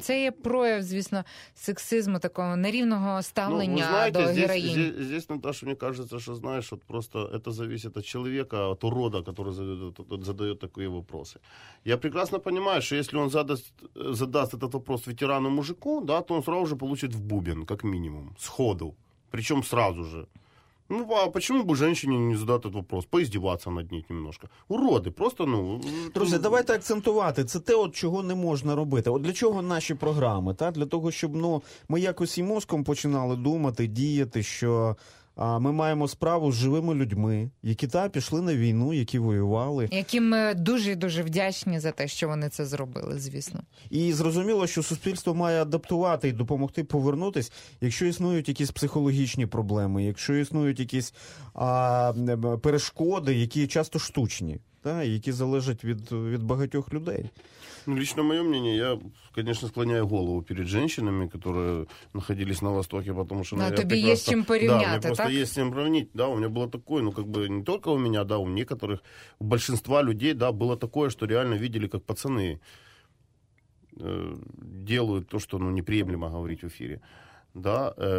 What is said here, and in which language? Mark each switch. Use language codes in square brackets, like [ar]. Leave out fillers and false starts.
[uk] Це є прояв, звісно, сексизму, такого нерівного ставлення до героїнь. [ru] Здесь, [uk] Наташа, мені кажеться, що, знаєш, от просто це залежить від чоловіка, від урода, який задає такі питання. Я прекрасно розумію, що якщо він задасть цей питання ветерану-мужику, да, то він одразу же [ru] получить в бубен, [uk] як мінімум, сходу. Причому одразу же. [ru] Ну, а почему бы женщине не задать этот вопрос? Поиздеваться над ней немножко. Уроды, просто, ну... [uk] Друзі, давайте акцентувати. Це те, от чого не можна робити. От для чого наші програми, так? Для того, щоб, ну, ми якось і мозком починали думати, діяти, що ми маємо справу з живими людьми, які та пішли на війну, які воювали. Яким ми дуже-дуже вдячні за те, що вони це зробили, звісно. І зрозуміло, що суспільство має адаптувати і допомогти повернутися, якщо існують якісь психологічні проблеми, якщо існують якісь перешкоди, які часто штучні, та, які залежать від багатьох людей. [ru] Ну, лично моє мнение, я, конечно, склоняю голову перед женщинами, которые находились на Востоке, потому что... Ну, тебе есть чем поравнять, так? Да, у меня просто есть чем сравнить. Да, у меня было такое, ну, как бы не только у меня, да, у некоторых, у большинства людей, да, было такое, что реально видели, как пацаны делают то, что, ну, неприемлемо говорить в эфире, да.